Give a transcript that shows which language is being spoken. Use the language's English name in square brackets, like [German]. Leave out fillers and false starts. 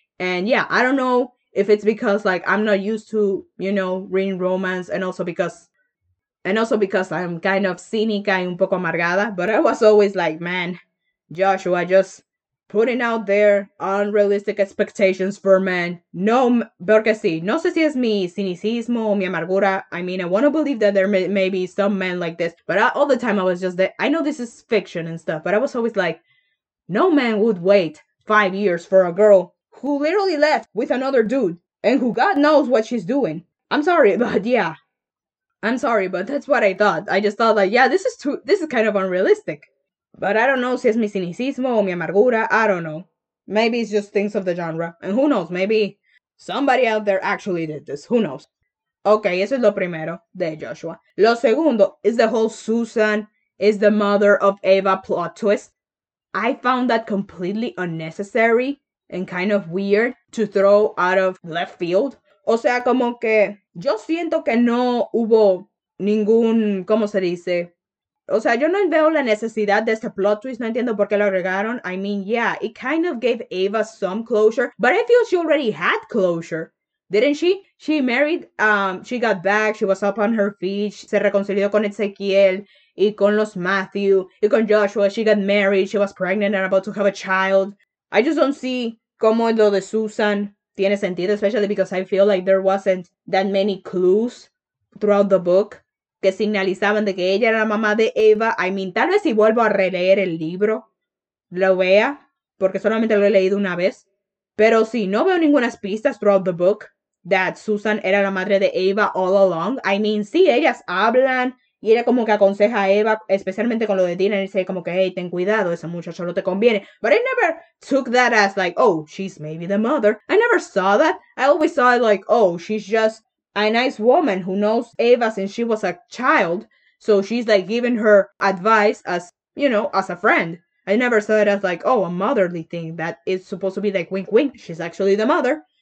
[English] And yeah, I don't know if it's because like I'm not used to, you know, reading romance and also because I'm kind of [Spanish] cínica y un poco amargada, [English] but I was always like, man, Joshua just putting out there unrealistic expectations for men. [Spanish] No, porque sí. No sé si es mi cinicismo o mi amargura. [English] I mean, I want to believe that there may be some men like this, but all the time I was just there. I know this is fiction and stuff, but I was always like, no man would wait 5 years for a girl who literally left with another dude and who God knows what she's doing. I'm sorry, but yeah. I'm sorry, but that's what I thought. I just thought, like, yeah, this is kind of unrealistic. But I don't know [Spanish] si es mi cinicismo o mi amargura. [English] I don't know. Maybe it's just things of the genre. And who knows? Maybe somebody out there actually did this. Who knows? Okay, [Spanish] eso es lo primero de Joshua. Lo segundo [English] is the whole Susan is the mother of Eva plot twist. I found that completely unnecessary and kind of weird to throw out of left field. [Spanish] O sea, como que yo siento que no hubo ningún, ¿cómo se dice? O sea, yo no veo la necesidad de este plot twist. No entiendo por qué lo agregaron. [English] I mean, yeah, it kind of gave Ava some closure, but I feel she already had closure, didn't she? She married, she got back, she was up on her feet, [Spanish] se reconcilió con Ezequiel y con los Matthew y con Joshua, [English] she got married, she was pregnant and about to have a child. I just don't see [Spanish] cómo lo de Susan tiene sentido, [English] especially because I feel like there wasn't that many clues throughout the book [Spanish] que señalizaban de que ella era la mamá de Ava. [English] I mean, [Spanish] tal vez si vuelvo a releer el libro, lo vea, porque solamente lo he leído una vez. Pero si no veo ninguna pista [English] throughout the book that [Spanish] Susan era la madre de Ava [English] all along. I mean, [Spanish] sí, ellas hablan y ella como que aconseja a Ava, especialmente con lo de Dina, y dice como que, hey, ten cuidado, ese muchacho no te conviene. [English] But I never took that as like, oh, she's maybe the mother. I never saw that. I always saw it like, oh, she's just a nice woman who knows Ava since she was a child. So she's like giving her advice as, you know, as a friend. I never saw it as like, oh, a motherly thing that is supposed to be like, wink, wink, she's actually the mother.